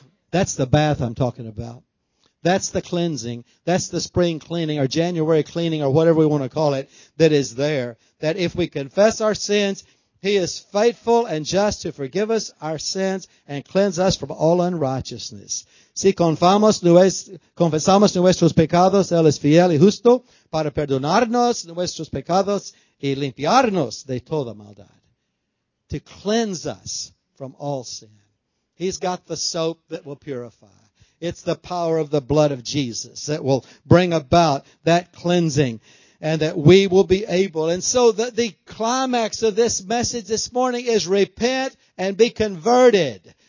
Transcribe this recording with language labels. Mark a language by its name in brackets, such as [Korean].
[English] That's the bath I'm talking about. That's the cleansing. That's the spring cleaning or January cleaning or whatever we want to call it that is there. That if we confess our sins, He is faithful and just to forgive us our sins and cleanse us from all unrighteousness. [Spanish] Si confesamos nuestros pecados, Él es fiel y justo para perdonarnos nuestros pecados y limpiarnos de toda maldad. [English] To cleanse us from all sin. He's got the soap that will purify. It's the power of the blood of Jesus that will bring about that cleansing. And that we will be able. And so the climax of this message this morning is repent and be converted.